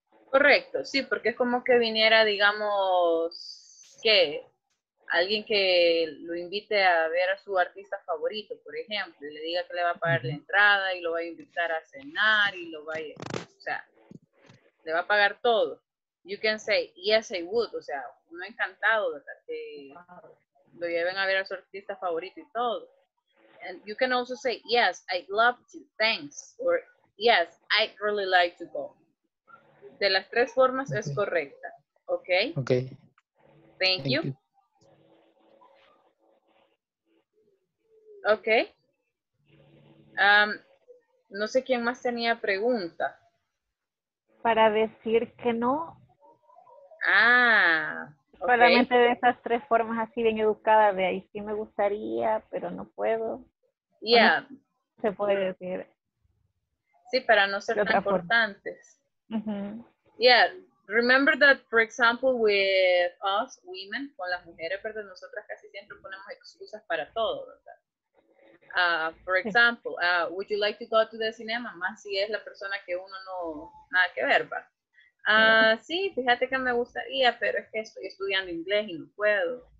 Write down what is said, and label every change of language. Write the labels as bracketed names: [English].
[Spanish] Correcto, sí, porque es como que viniera, digamos, que alguien que lo invite a ver a su artista favorito, por ejemplo, y le diga que le va a pagar la entrada y lo va a invitar a cenar y lo va a, o sea, le va a pagar todo. [English] You can say, yes, I would. [Spanish] O sea, uno encantado, ¿verdad? Que lo lleven a ver a su artista favorito y todo. [English] And you can also say, yes, I'd love to, thanks. Or, yes, I'd really like to go. [Spanish] De las tres formas okay. Es correcta. [English] Okay? Okay. Thank you. Okay. [Spanish] No sé quién más tenía pregunta. Para decir que no. Ah, [English] okay. [Spanish] Solamente de esas tres formas así bien educadas, de ahí sí me gustaría, pero no puedo. [English] Yeah. [Spanish] No se puede decir. Sí, para no ser tan importantes. Uh-huh. [English] Yeah, remember that, for example, with us women, [Spanish] con las mujeres, pero nosotras casi siempre ponemos excusas para todo, ¿verdad? [English] For example, would you like to go to the cinema? [Spanish] Más si es la persona que uno no, nada que ver, ¿verdad? Sí, fíjate que me gustaría, pero es que estoy estudiando inglés y no puedo.